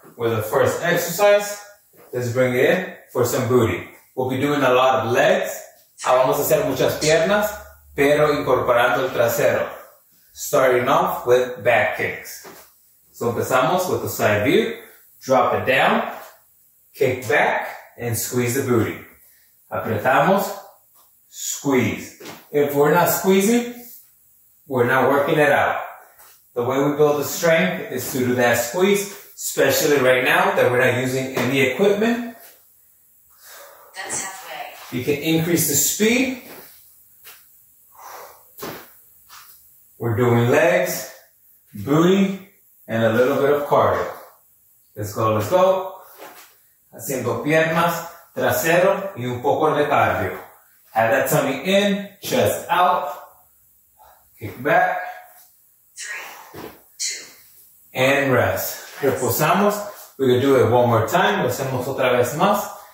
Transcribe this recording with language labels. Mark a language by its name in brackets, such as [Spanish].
[English] With the first exercise, let's bring it in for some booty. We'll be doing a lot of legs. [Spanish] Vamos a hacer muchas piernas, pero incorporando el trasero. [English] Starting off with back kicks. So [Spanish] empezamos [English] with the side view. Drop it down. Kick back and squeeze the booty. [Spanish] Apretamos. [English] Squeeze. If we're not squeezing, we're not working it out. The way we build the strength is to do that squeeze, especially right now that we're not using any equipment. You can increase the speed. We're doing legs, booty, and a little bit of cardio. Let's go, let's go. [Spanish] Haciendo piernas, trasero, y un poco de cardio. [English] Have that tummy in, chest out. Kick back. 3, 2. And rest. [Spanish] Reposamos. [English] We can do it one more time. [Spanish] Lo hacemos otra vez más.